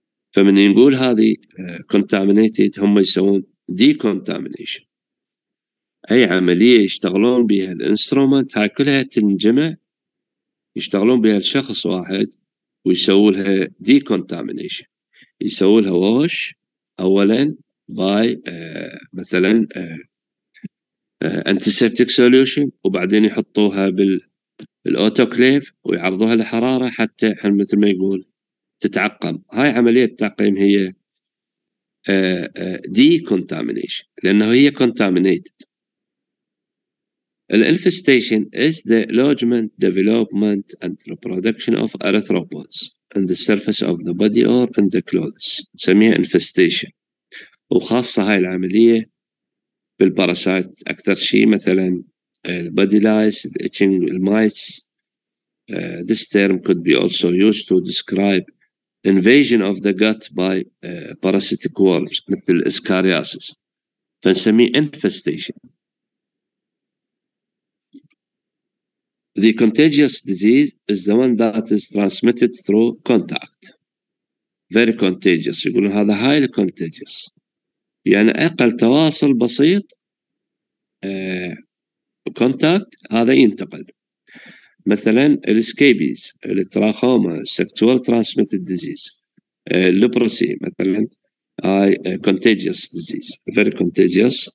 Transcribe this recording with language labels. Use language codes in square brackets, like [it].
[ar] فمن يقول هذه contaminated هم يسوون decontamination، أي عملية يشتغلون بها الانسترومنت هاي كلها تنجمع يشتغلون بها الشخص واحد ويسووا لها decontamination، يسووا لها wash أولا by مثلا antiseptic solution، وبعدين يحطوها بالأوتوكليف ويعرضوها لحرارة حتى مثل ما يقول تتعقم. هاي عملية التعقيم هي decontamination لأنه هي contaminated. [en] الانفستيشن is the lodgement, development and reproduction of erythropods in the surface of the body or in the clothes. [ar] نسميها infestation، وخاصة هاي العملية بالباراسايت أكثر شيء، مثلا body lice, itching mites. [en] This term could be also used to describe invasion of the gut by parasitic worms [ar] مثل اسكارياسس، فنسميه [en] infestation. The contagious disease is the one that is transmitted through contact. Very contagious. [ar] يقولون هذا [en] highly contagious. [ar] يعني أقل تواصل بسيط contact هذا ينتقل. مثلا السكيبيز، التراخوما، sexual transmitted disease. الليبروسي مثلا contagious disease. [en] Very contagious.